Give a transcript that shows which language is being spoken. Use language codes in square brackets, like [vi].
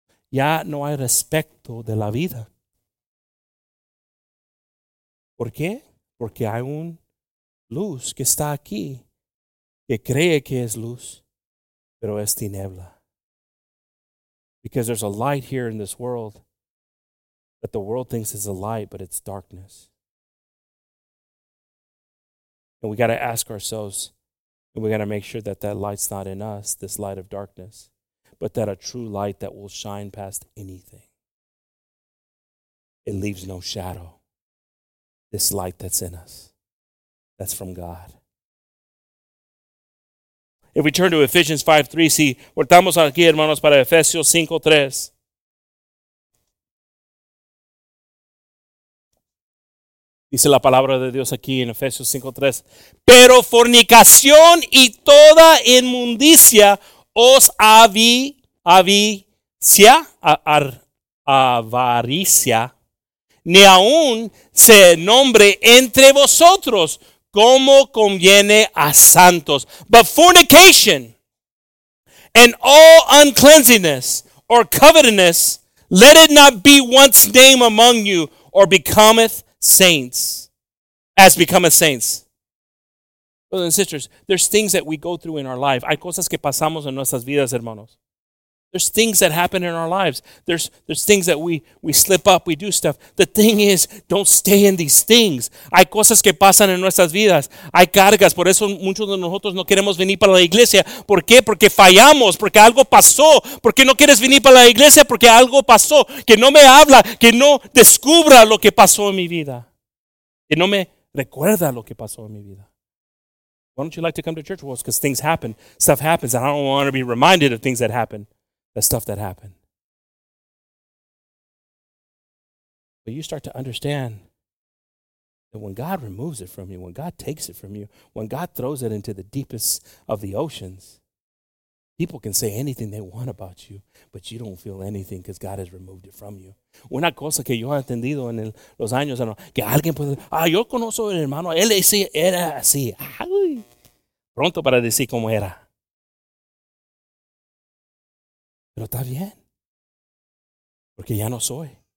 [es] Ya no hay respeto de la vida. ¿Por qué? Porque hay un luz que está aquí, que cree que es luz, pero es tiniebla. [en] Because there's a light here in this world. That the world thinks is a light, but it's darkness. And we got to ask ourselves, and we got to make sure that that light's not in us, this light of darkness, but that a true light that will shine past anything. It leaves no shadow. This light that's in us, that's from God. If we turn to Ephesians 5:3, [es] si voltamos aquí, hermanos, para Efesios 5:3. Dice la palabra de Dios aquí en Efesios 5:3. Pero fornicación y toda inmundicia os avaricia, ni aún se nombre entre vosotros como conviene a santos. [en] But fornication and all uncleanness or covetousness, let it not be once named among you or becometh saints, as becometh saints. Brothers and sisters, there's things that we go through in our life. [es] Hay cosas que pasamos en nuestras vidas, hermanos. [en] There's things that happen in our lives. There's things that we slip up, we do stuff. The thing is, don't stay in these things. [es] Hay cosas que pasan en nuestras vidas. Hay cargas. Por eso muchos de nosotros no queremos venir para la iglesia. ¿Por qué? Porque fallamos, porque algo pasó. ¿Por qué no quieres venir para la iglesia? Porque algo pasó. Que no me habla, que no descubra lo que pasó en mi vida. Que no me recuerda lo que pasó en mi vida. [en] Why don't you like to come to church? Well, it's because things happen. Stuff happens. And I don't want to be reminded of things that happen. The stuff that happened. But you start to understand that when God removes it from you, when God takes it from you, when God throws it into the deepest of the oceans, people can say anything they want about you, but you don't feel anything because God has removed it from you. [es] Una cosa que yo he entendido en los años, que alguien puede decir, ah, yo conozco el hermano, él era así. Ay, pronto para decir cómo era. Pero está bien, porque ya no soy.